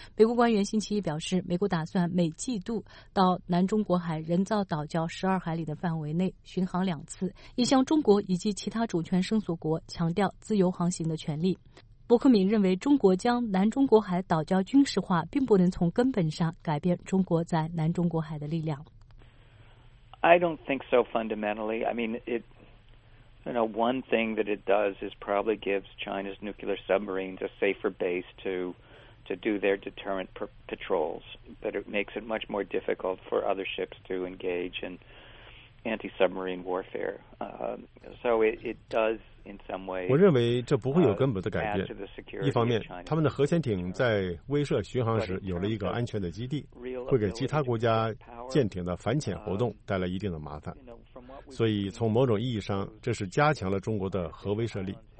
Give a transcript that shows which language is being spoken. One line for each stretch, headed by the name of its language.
Chinese: 美国官员星期一表示，美国打算每季度到南中国海人造岛礁12海里的范围内巡航2次，以向中国以及其他主权声索国强调自由航行的权利。伯克敏认为，中国将南中国海岛礁军事化并不能从根本上改变中国在南中国海的力量。
English: I don't think so fundamentally. I mean, it... one thing that it does is probably gives China's nuclear submarines a safer base to do their deterrent patrols, but it makes it much more difficult for other ships to engage in anti-submarine warfare. So it does in some ways.
Chinese: 我认为这不会有根本的改变。一方面，他们的核潜艇在威慑巡航时有了一个安全的基地，会给其他国家舰艇的反潜活动带来一定的麻烦。所以从某种意义上，这是加强了中国的核威慑力。